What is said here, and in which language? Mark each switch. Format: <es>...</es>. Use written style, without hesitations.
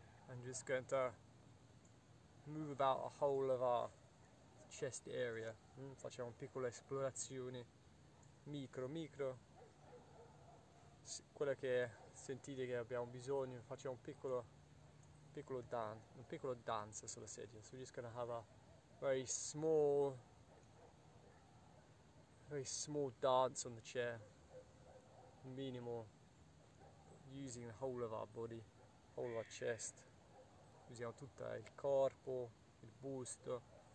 <en>And just going to move about a whole of our chest area.</en> <it>Facciamo piccole esplorazioni, micro, quello che sentite che abbiamo bisogno. Facciamo un piccolo dance sulla sedia.</it> <en>So we're just gonna have a very small dance on the chair, minimal, using the whole of our body, whole of our chest.</en> <it>Usiamo tutto il corpo, il busto.</it>